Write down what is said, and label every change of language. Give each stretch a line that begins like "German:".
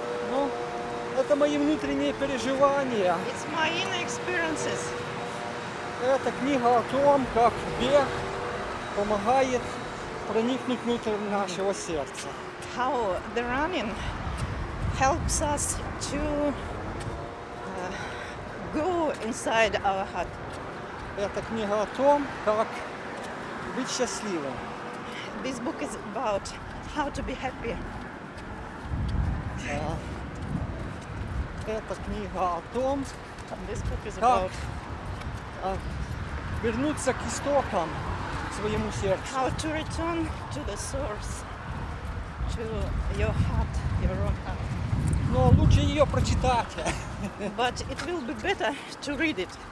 Russian: Ну, это мои внутренние переживания.
English: It's my inner experiences.
Russian: Это книга о том, как бег помогает проникнуть внутрь нашего сердца.
English: How the running helps us to go inside our heart.
Russian: Эта книга о том, как быть счастливым.
English: This book is about how to be happy.
Russian: Эта книга о том,
English: this book is about
Russian: вернуться к истокам своему сердцу.
English: How to return to the source, to your heart, your own heart.
Russian: Но лучше ее прочитать.
English: But it will be better to read it.